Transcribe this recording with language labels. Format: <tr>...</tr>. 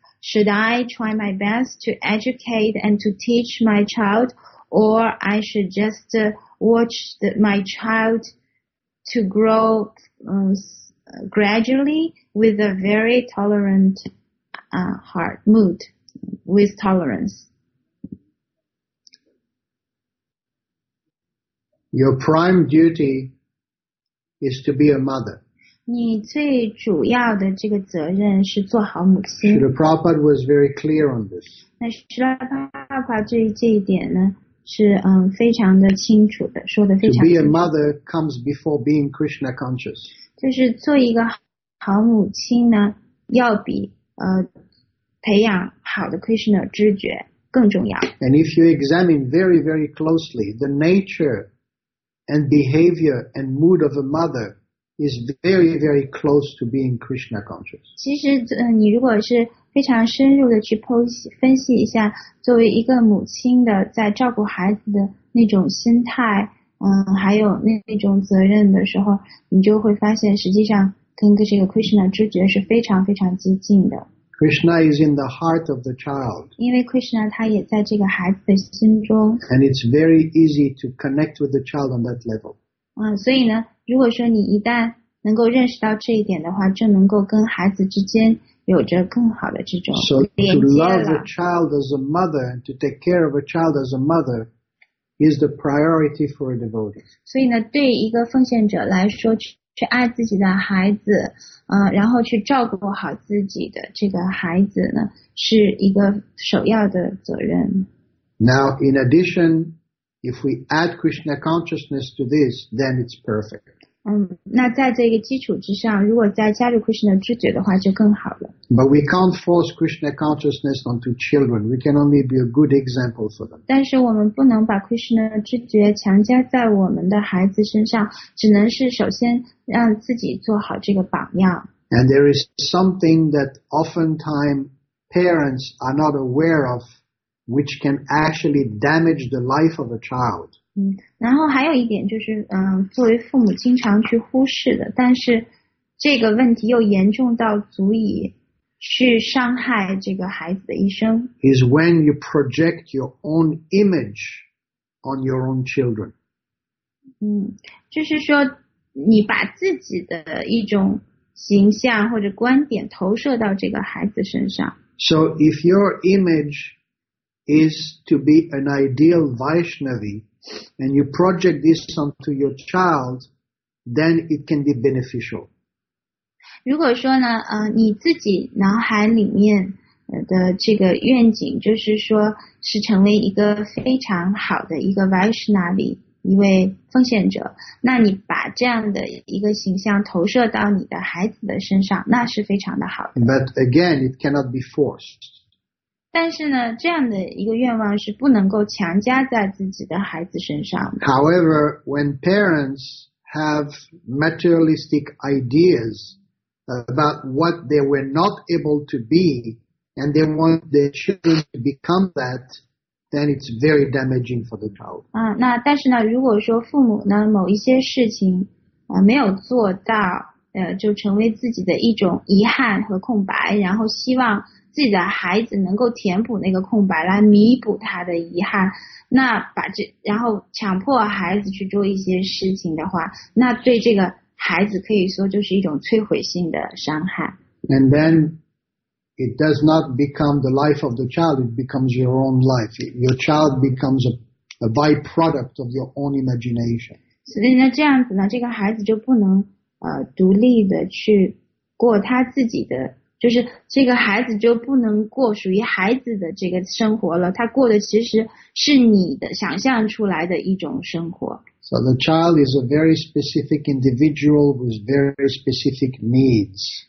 <en>Should I try my best to educate and to teach my child, or I should just watch my child to grow gradually with a very tolerant heart, mood, with tolerance? Your prime duty is to be a mother.</en> <zh>你最主要的这个责任是做好母亲。</zh> <en>Srila Prabhupada was very clear on this.</en> <zh>那 Srila Prabhupada 这一点呢是非常的清楚的，说的非常清楚。</zh> <en>To be a mother comes before being Krishna conscious.</en> <zh>就是做一个好母亲呢，要比培养好的 Krishna 知觉更重要。</zh> <en>And if you examine very, very closely the natureand behavior and mood of a mother is very, very close to being Krishna conscious.</en> <zh>其实你如果是非常深入的去分析一下作为一个母亲的在照顾孩子的那种心态还有那种责任的时候，你就会发现实际上跟这个 Krishna 知觉是非常非常接近的。</zh> <en>Krishna is in the heart of the child.</en> <zh>因为 Krishna 他也在这个孩子的心中。</zh> <en>And it's very easy to connect with the child on that level.</en> <zh>所以呢，如果说你一旦能够认识到这一点的话，就能够跟孩子之间有着更好的这种连接了。</zh> <en>So to love a child as a mother and to take care of a child as a mother is the priority for a devotee.</en> <zh>所以呢，对一个奉献者来说，去爱自己的孩子，然后去照顾好自己的这个孩子呢，是一个首要的责任。</zh> <en>Now, in addition, if we add Krishna consciousness to this, then it's perfect.</en> <zh>那在这个基础之上，如果再加入 Krishna 知觉的话，就更好了。</zh> <en>But we can't force Krishna consciousness onto children. We can only be a good example for them.</en> <zh>但是我们不能把 Krishna 知觉强加在我们的孩子身上，只能是首先让自己做好这个榜样。</zh> <en>And there is something that oftentimes parents are not aware of, which can actually damage the life of a child.</en> <zh>然后还有一点就是，作为父母经常去忽视的，但是这个问题又严重到足以去伤害这个孩子的一生。</zh> <en>Is when you project your own image on your own children.</en> <zh>就是说你把自己的一种形象或者观点投射到这个孩子身上。</zh> <en>So if your image is to be an ideal Vaishnavi, and you project this onto your child, then it can be beneficial.</en> <zh>如果说呢，你自己脑海里面的这个愿景，就是说是成为一个非常好的一个 Vaishnavi, 一位奉献者，那你把这样的一个形象投射到你的孩子的身上，那是非常的好的。</zh> <en>But again, it cannot be forced.</en> <zh>但是呢，这样的一个愿望是不能够强加在自己的孩子身上的。</zh> <en>However, when parents have materialistic ideas about what they were not able to be, and they want their children to become that, then it's very damaging for the child.</en> <zh>那但是呢，如果说父母呢某一些事情没有做到，就成为自己的一种遗憾和空白，然后希望自己的孩子能够填补那个空白，来弥补他的遗憾。那把这，然后强迫孩子去做一些事情的话，那对这个孩子可以说就是一种摧毁性的伤害。</zh> <en>And then it does not become the life of the child; it becomes your own life. Your child becomes a byproduct of your own imagination.</en> <zh>所以呢，这样子呢，这个孩子就不能独立的去过他自己的。就是这个孩子就不能过属于孩子的这个生活了，他过的其实是你的想象出来的一种生活。</zh> <en>So the child is a very specific individual with very specific needs.</en>